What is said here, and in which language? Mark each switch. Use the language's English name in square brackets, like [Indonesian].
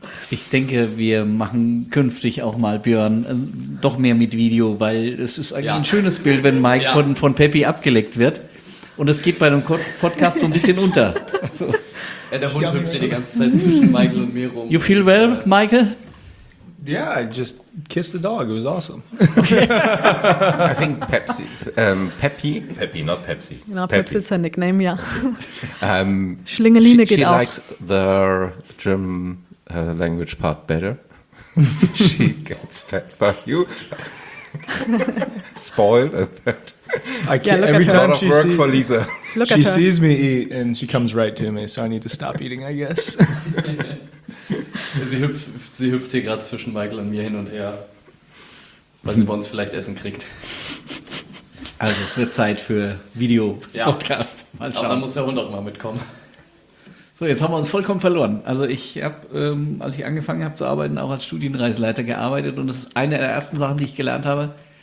[German] Ich denke, wir machen künftig auch mal, Björn, doch mehr mit Video, weil es ist ein schönes Bild, wenn Mike von Pepsi abgeleckt wird. Und es geht bei einem Podcast so ein bisschen unter. Ja, der Hund hüpft die ganze Zeit zwischen Michael und mir rum. [English] You feel well, Michael? Yeah, I just kissed the dog. It was awesome. I think Pepsi. Pepi, not Pepsi. No, Pepsi is her nickname, yeah. [German] Schlingeline geht auch. [English] She likes the German language part better. She gets fed by you. Spoiled at that. I can't, yeah, every time she sees, for Lisa. Look she sees me eat and she comes right to me, so I need to stop eating, I guess. [German] Sie hüpft hier gerade zwischen Michael und mir hin und her, weil sie bei uns vielleicht Essen kriegt. Also es wird Zeit für Video-Podcast. Ja, aber dann muss der Hund auch mal mitkommen. So, jetzt haben wir uns vollkommen verloren. Also ich habe, als ich angefangen habe zu arbeiten, auch als Studienreiseleiter gearbeitet und das ist eine der ersten Sachen, die ich gelernt habe.